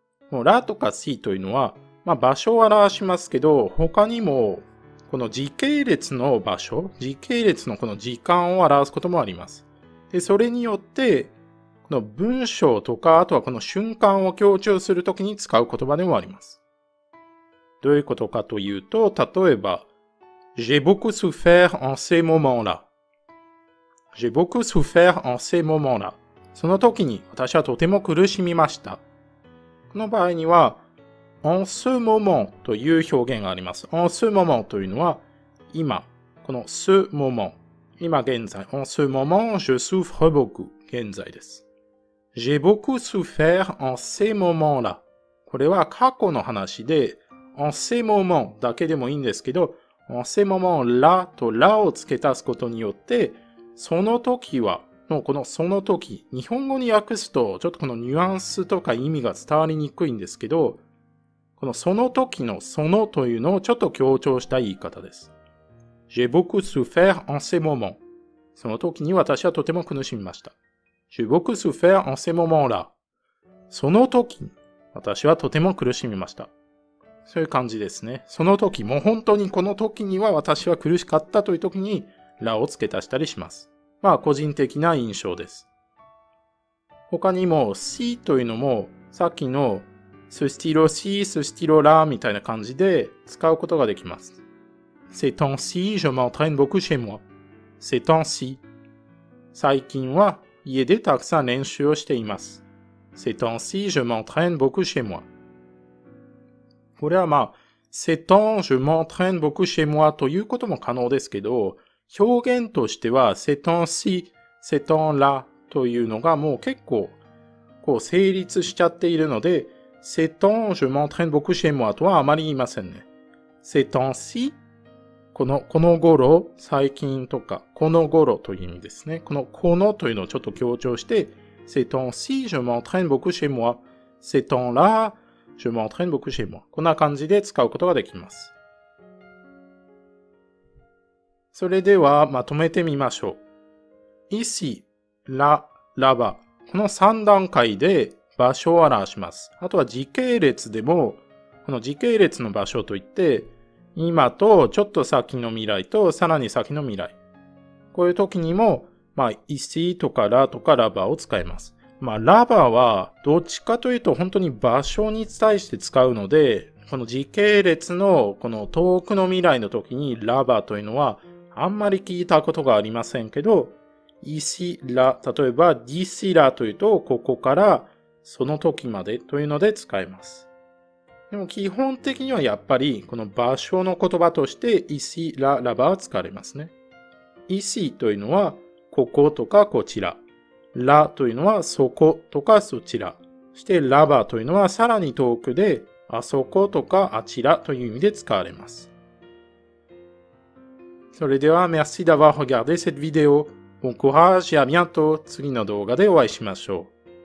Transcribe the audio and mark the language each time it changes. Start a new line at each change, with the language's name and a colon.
Japanese: もう、らとか、しというのは、まあ、場所を表しますけど、他にも、この時系列の場所、時系列のこの時間を表すこともあります。で、それによって、この文章とか、あとはこの瞬間を強調するときに使う言葉でもあります。どういうことかというと、例えば、
French: J'ai beaucoup souffert en ces moments-là. J'ai beaucoup souffert en ces moments-là.
Japanese: その時に私はとても苦しみました。この場合には、en ce moment という表現があります。 en ce moment というのは、今、この ce moment。今現在。
French: en ce moment, je souffre beaucoup.
Japanese: 現在です。
French: J'ai beaucoup souffert en ces moments-là.
Japanese: これは過去の話で、en ce moment だけでもいいんですけど、en ce moment là と là を付け足すことによって、その時は、のこのその時、日本語に訳すと、ちょっとこのニュアンスとか意味が伝わりにくいんですけど、このその時のそのというのをちょっと強調した言い方です。
French: J'ai beaucoup souffert en ce moment.
Japanese: その時に私はとても苦しみました。
French: J'ai beaucoup souffert en ce moment là.
Japanese: その時に私はとても苦しみました。そういう感じですね。その時、もう本当にこの時には私は苦しかったという時に、らを付け足したりします。まあ個人的な印象です。他にも、しというのも、さっきの、すしろし、すしろらみたいな感じで使うことができます。
French: せとんし、je m'entraîne beaucoup chez moi。せとんし。
Japanese: 最近は家でたくさん練習をしています。
French: せとんし、je m'entraîne beaucoup chez moi。
Japanese: これはまあ、せとん、
French: je m'entraîne beaucoup chez moi
Japanese: ということも可能ですけど、表現としては、せとんし、せとんらというのがもう結構、こう成立しちゃっているので、せとん、je m'entraîne beaucoup chez moi とはあまり言いませんね。せとんし、この頃、最近とか、この頃という意味ですね。このというのをちょっと強調して、
French: せとんし、je m'entraîne beaucoup chez moi。せとんら、je m'entraîne beaucoup chez moi。
Japanese: こんな感じで使うことができます。それでは、まとめてみましょう。
French: ici、là、là-bas。
Japanese: この3段階で場所を表します。あとは時系列でも、この時系列の場所といって、今とちょっと先の未来とさらに先の未来。こういう時にも、まあ、ici とか là とか là-bas を使います。まあ、ラバーは、どっちかというと、本当に場所に対して使うので、この時系列の、この遠くの未来の時に、ラバーというのは、あんまり聞いたことがありませんけど、イシラ、例えば、ディシラというと、ここから、その時までというので使えます。でも、基本的にはやっぱり、この場所の言葉として、イシラ、ラバーは使われますね。イシというのは、こことかこちら。ラというのはそことかそちら。そしてラバというのはさらに遠くであそことかあちらという意味で使われます。それでは、
French: merci d'avoir regardé cette vidéo. Bon courage et à bientôt.
Japanese: 次の動画でお会いしましょう。